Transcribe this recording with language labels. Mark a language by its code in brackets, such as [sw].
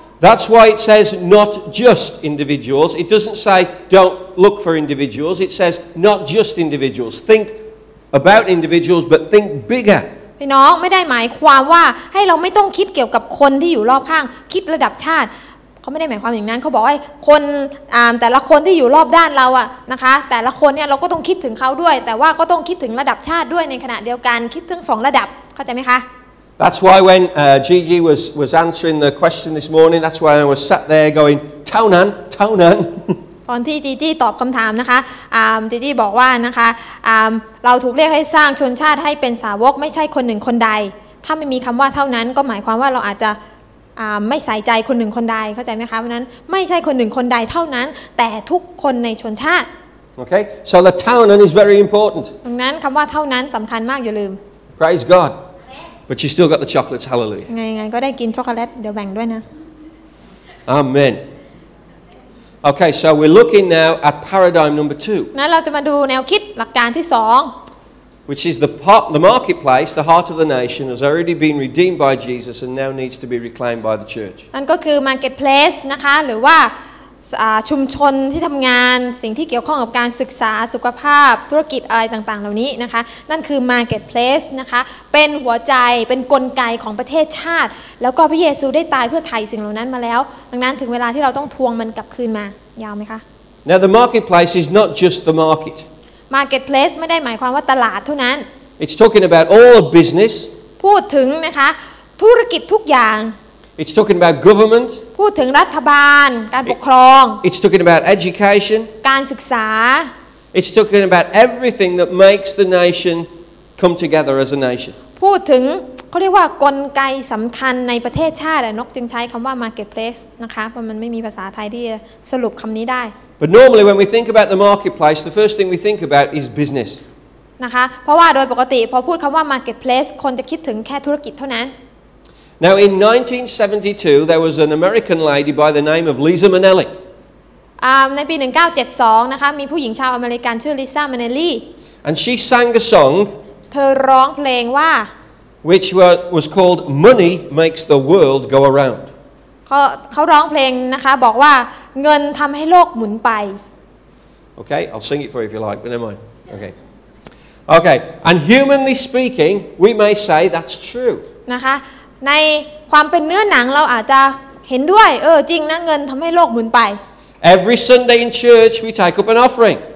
[en] That's why it says not just individuals it doesn't say don't look for individuals it says not just individuals think about individuals but think bigger [th] พี่น้องไม่ได้หมายความว่าให้เราไม่ต้องคิดเกี่ยวกับคนที่อยู่รอบข้างคิดระดับชาติเขาไม่ได้หมายความอย่างนั้นเขาบอกว่าคนแต่ละคนที่อยู่รอบด้านเราอะนะคะแต่ละคนเนี่ยเราก็ต้องคิดถึงเขาด้วยแต่ว่าก็ต้องคิดถึงระดับชาติด้วยในขณะเดียวกันคิดถึง2ระดับเข้าใจมั้ยคะ [en] That's why when Gigi was answering the question this morning, that's why I was sat there going, Taonan, Taonan. [th] ตอนที่ Gigi ตอบคำถามนะคะ Gigi บอกว่านะคะเราถูกเรียกให้สร้างชนชาติให้เป็นสาวกไม่ใช่คนหนึ่งคนใดถ้าไม่มีคำว่าเท่านั้นก็หมายความว่าเราอาจจะไม่ใส่ใจคนหนึ่งคนใดเข้าใจไหมคะเพราะนั้นไม่ใช่คนหนึ่งคนใดเท่านั้นแต่ทุกคนในชนชาติ [en] Okay, so the Taonan is very important. [th] ดังนั้นคำว่าเท่านั้นสำคัญมากอย่าลืม [en] Praise God. But you still got the chocolates, hallelujah. [th] ไงก็ได้กินช็อกโกแลตเดี๋ยวแบ่งด้วยนะ [en] Amen. Okay, so we're looking now at paradigm number two. [th] นั้นเราจะมาดูแนวคิดหลักการที่สอง [en] Which is the marketplace, the heart of the nation has already been redeemed by Jesus and now needs to be reclaimed by the church. [th] นั่นก็คือ marketplace นะคะหรือว่าชุมชนที่ทำงานสิ่งที่เกี่ยวข้องกับการศึกษาสุขภาพธุรกิจอะไรต่างๆเหล่านี้นะคะนั่นคือ marketplace นะคะเป็นหัวใจเป็นกลไกของประเทศชาติแล้วก็พระเยซูได้ตายเพื่อไถ่สิ่งเหล่านั้นมาแล้วดังนั้นถึงเวลาที่เราต้องทวงมันกลับคืนมายาวไหมคะ [en] Now the marketplace is not just the market [th] marketplace ไม่ได้หมายความว่าตลาดเท่านั้น [en] It's talking about all of business [th] พูดถึงนะคะธุรกิจทุกอย่าง [en] It's talking about government. [th] พูดถึงรัฐบาลการปกครอง [en] It's talking about education. [th] การศึกษา [en] It's talking about everything that makes the nation come together as a nation. [th] พูดถึงเขาเรียกว่ากลไกสำคัญในประเทศชาติอะนกจึงใช้คำว่า marketplace นะคะเพราะมันไม่มีภาษาไทยที่จะสรุปคำนี้ได้ [en] But normally when we think about the marketplace, the first thing we think about is business. [th] นะคะเพราะว่าโดยปกติพอพูดคำว่า marketplace คนจะคิดถึงแค่ธุรกิจเท่านั้น [en] Now in 1972 there was an American lady by the name of Liza Minnelli. [th] ในปี1972นะคะมีผู้หญิงชาวอเมริกันชื่อลิซ่ามินเนลลี่ [en] And she sang a song. [th] เธอร้องเพลงว่า [en] Which was called Money Makes the World Go Around. [th] เขาร้องเพลงนะคะบอกว่าเงินทำให้โลกหมุนไป [en] Okay, I'll sing it for you if you like, but never mind. Okay. Okay, and humanly speaking, we may say that's true. [th] นะคะในความเป็นเนื้อหนังเราอาจจะเห็นด้วยจริงนะเงินทำให้โลกหมุนไป [en] Every Sunday in church we take up an offering